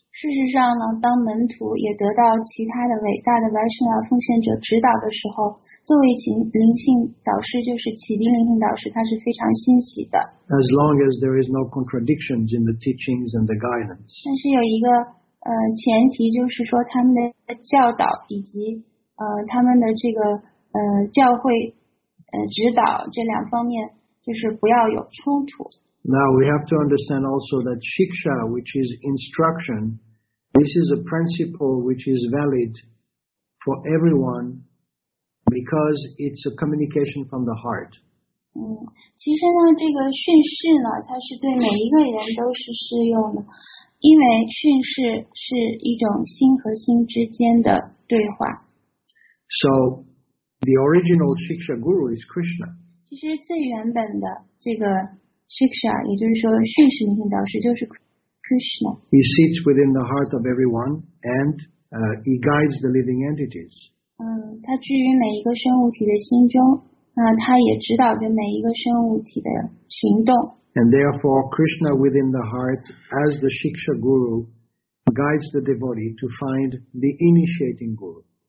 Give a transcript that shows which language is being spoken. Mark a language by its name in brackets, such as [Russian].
[Chinese] 事实上呢，当门徒也得到其他的伟大的 Vaishnava 奉献者指导的时候，作为灵性导师，就是启迪灵性导师，他是非常欣喜的。 [English] As long as there is no contradictions in the teachings and the guidance. [Chinese] 但是有一个前提就是说他们的教导以及他们的这个教会指导这两方面就是不要有冲突。 [English] Now we have to understand also that shiksha, which is instruction, this is a principle which is valid for everyone because it's a communication from the heart. [Chinese] 其实呢，这个训示呢，它是对每一个人都是适用的，因为训示是一种心和心之间的对话。 [English] So, the original Shiksha Guru is Krishna. [Chinese] 其实最原本的这个 Shiksha, 也就是说训示聆听导师就是 Krishna. [English] He sits within the heart of everyone and, he guides the living entities. [Chinese] 他居于每一个生物体的心中，那他也指导着每一个生物体的行动。 [English] And therefore, Krishna within the heart as the Shiksha Guru guides the devotee to find the initiating guru.